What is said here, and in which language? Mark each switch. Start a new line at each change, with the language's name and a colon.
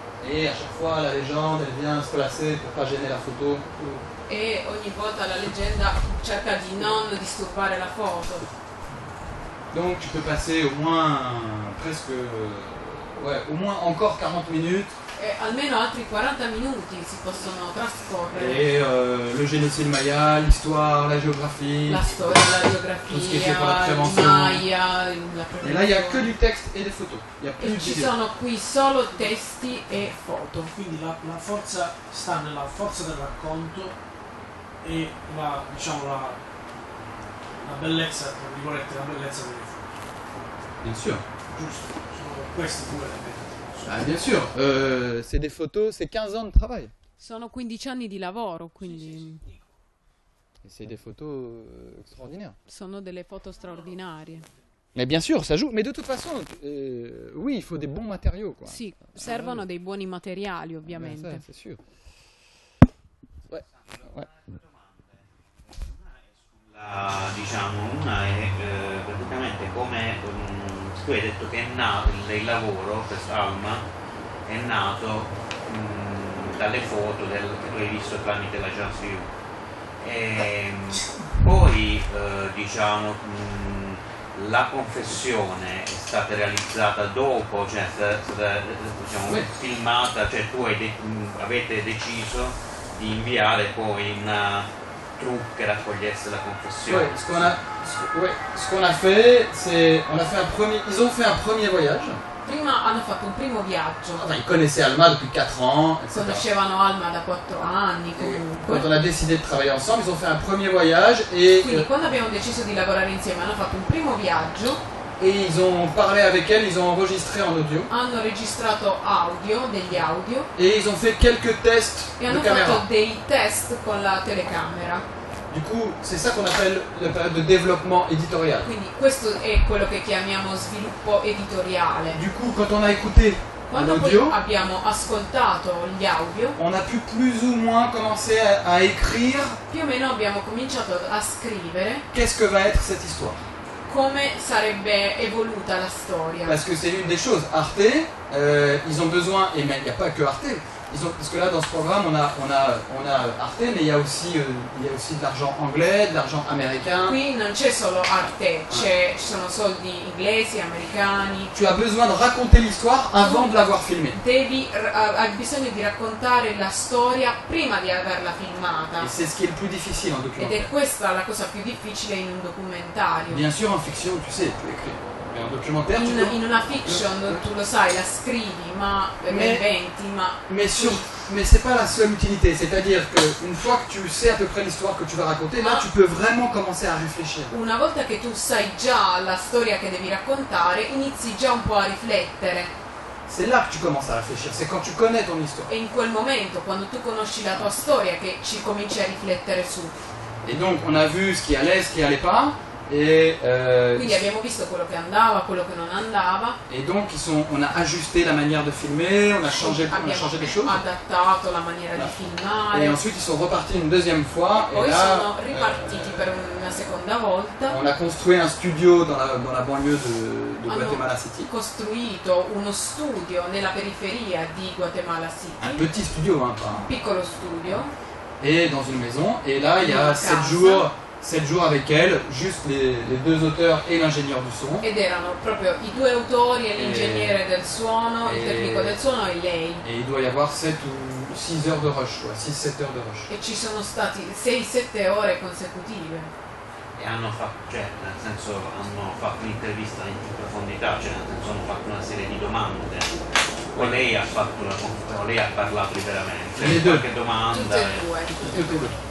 French: Et à chaque fois, la légende, elle vient se placer pour ne pas gêner la photo.
Italian: Et ogni volta la leggenda cerca di non disturbare la foto.
French: Donc tu peux passer au moins presque. Ouais, au moins encore 40 minutes.
Italian: Et almeno altri 40 minuti si possono trascorrere.
French: Et le génocide maya, l'histoire, la géographie.
Italian: La storia, la géographia, la maya.
French: Et là il n'y a que du texte et des photos. Il y a plus et de
Italian: ci sono qui solo testi e foto. Quindi la forza sta nella forza del racconto e la, diciamo, la bellezza, tra virgolette, la bellezza delle foto.
French: Bien sûr.
Italian: Giusto. Questi due.
French: Ah, bien sûr, c'est des photos, c'est 15 ans de travail.
Italian: Sono 15 anni di lavoro, quindi.
French: Et c'est des photos extraordinaires.
Italian: Sono delle foto straordinarie.
French: Mais bien sûr, ça joue. Mais de toute façon, oui, il faut des bons matériaux, quoi.
Italian: Sì, servono dei buoni materiali, ovviamente.
French: Ça, c'est sûr. Ouais. Ouais.
Italian: Diciamo, una è praticamente come tu hai detto che è nato il lavoro, questa Alma è nato dalle foto che tu hai visto tramite la Chance View. E poi diciamo la confessione è stata realizzata dopo, cioè diciamo, filmata, cioè tu avete deciso di inviare poi una troupe qui raccogliesse la confession.
French: Oui, ce qu'on a fait, c'est ils ont fait un premier voyage.
Italian: Prima hanno fatto un primo viaggio.
French: Enfin, ils connaissaient Alma depuis 4 ans, etc.
Italian: Conoscevano Alma da 4 anni.
French: Quand on a décidé de travailler ensemble, ils ont fait un premier voyage et.
Italian: Quindi, quando abbiamo deciso di lavorare insieme, hanno fatto un primo viaggio.
French: Et ils ont parlé avec elle, ils ont enregistré en audio.
Italian: Hanno registrato audio, degli audio.
French: Et ils ont fait quelques tests de caméra.
Italian: Et hanno fatto dei test con la telecamera.
French: Du coup, c'est ça qu'on appelle la période de développement éditorial.
Italian: Quindi questo è quello che chiamiamo sviluppo editoriale.
French: Du coup, quand on a écouté l'audio,
Italian: abbiamo ascoltato gli audio.
French: On a pu plus ou moins commencer à écrire.
Italian: Più o meno abbiamo cominciato a scrivere.
French: Qu'est-ce que va être cette histoire?
Italian: Come sarebbe evoluta la storia?
French: Parce que c'est une des choses. Arte, ils ont besoin, et mais il n'y a pas que Arte. Ils ont, parce que là, dans ce programme, on a Arte, mais il y a aussi de l'argent anglais, de l'argent américain.
Italian: Qui non c'è solo Arte, ci sono soldi inglesi, americani.
French: Tu as besoin de raconter l'histoire avant de l'avoir filmée.
Italian: Hai bisogno di raccontare la storia prima di averla filmata.
French: Et c'est ce qui est le plus difficile en documentaire.
Italian: Ed è questa la cosa più difficile in un documentario.
French: Bien sûr, en fiction, tu sais, tu écris. Documentaire,
Italian: in una fiction tu lo sai, la scrivi, ma inventi, ma.
French: Mais c'est pas la seule utilité, c'est-à-dire que une fois que tu sais à peu près l'histoire que tu vas raconter, là tu peux vraiment commencer à réfléchir.
Italian: Una volta che tu sai già la storia che devi raccontare, inizi già un po' a riflettere.
French: C'est là que tu commences à réfléchir, c'est quand tu connais ton histoire.
Italian: E in quel momento, quando tu conosci la tua storia, che ci cominci a riflettere su.
French: Et donc on a vu ce qui allait, ce qui allait pas. Et,
Italian: quindi abbiamo visto quello che andava, quello che non andava.
French: Et donc on a ajusté la manière de filmer, on a changé des choses.
Italian: Adattato la maniera di filmare.
French: Et ensuite ils sont repartis une deuxième fois.
Italian: Poi
French: et là,
Italian: sono ripartiti per una seconda volta.
French: On a construit un studio dans la banlieue de Guatemala City.
Italian: Hanno costruito uno studio nella periferia di Guatemala City.
French: Un petit studio, hein,
Italian: piccolo studio.
French: Et dans une maison. Et là il y a 7 jours. 7 jours avec elle, juste les deux auteurs et l'ingénieur du son.
Italian: Ed erano proprio i due autori e l'ingegnere del suono, il tecnico del suono e lei.
French: Et il doit y avoir 7 ou 6 heures de rush, quoi, 6-7 heures de rush.
Italian: E ci sono stati 6-7 ore consecutive. E hanno fatto, cioè, nel senso, hanno fatto l'intervista in più profondità, cioè, nel senso, hanno fatto una serie di domande. O lei ha fatto una conferenza, o lei ha parlato liberamente. Le due. Qualche domanda. Tutte e due.